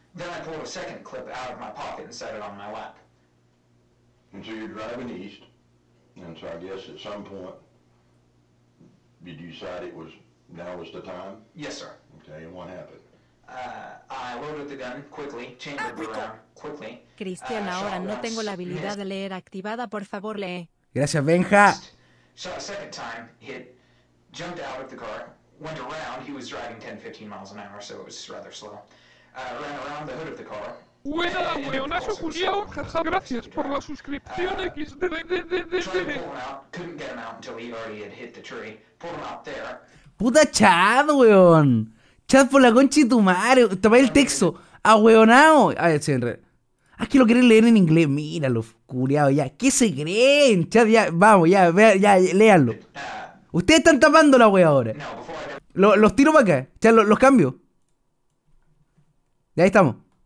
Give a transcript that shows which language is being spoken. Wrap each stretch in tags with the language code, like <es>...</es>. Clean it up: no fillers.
<en>Then I pulled a second clip out of my pocket and set it on my lap. And so you're driving east. And so I guess at some point, did you decide now was the time? Yes, sir. Okay, and what happened? I loaded the gun quickly, changed the gun quickly.</en> <es>Cristian, ahora no tengo la habilidad de leer activada, por favor, lee. Gracias, Benja.</es> <en>Shot a second time, hit, jumped out of the car, went around, he was driving 10, 15 miles an hour, so it was rather slow. Ran around the hood of the car.</en> <es>Buena, weonazo Julio, jaja, gracias por la suscripción XDDDDD.</es> <en>Couldn't get him out until he already had hit the tree. Pulled him out there.</en> <es>Puta Chad, weón. Chad por la concha de tu madre. Tapa el texto. Ahueonao. Ay, sí, en re. Ah, que lo quieren leer en inglés. Míralo, curiado ya. ¿Qué se creen? Chad, ya, vamos, ya, ya, ya, léanlo. Ustedes están tapando la wea ahora. Los tiro para acá. Chad, los cambio. Y ahí estamos.</es>